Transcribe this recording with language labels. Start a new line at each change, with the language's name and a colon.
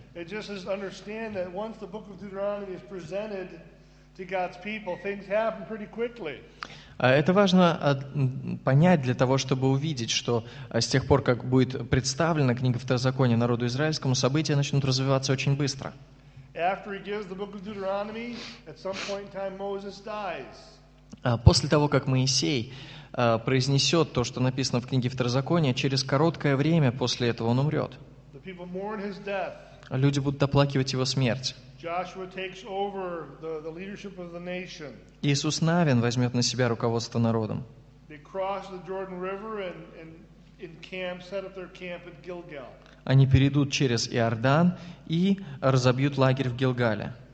English: It just is understand that once the book of Deuteronomy is presented to God's people, things happen pretty quickly.
Russian: Это важно понять для того, чтобы увидеть, что с тех пор, как будет представлена книга Второзакония народу израильскому, события начнут развиваться очень быстро.
English: After he gives the book of Deuteronomy, at some point in time Moses dies.
Russian: После того, как Моисей произнесет то, что написано в книге Второзакония, через короткое время после этого он умрет.
English: The people mourn his death.
Russian: Люди будут оплакивать его смерть.
English: Joshua takes over the leadership of the nation.
Russian: Иисус Навин возьмет на себя руководство народом.
English: They cross the Jordan River and in camp set up their camp at Gilgal.
Russian: Они перейдут через Иордан и разобьют лагерь в Гилгале.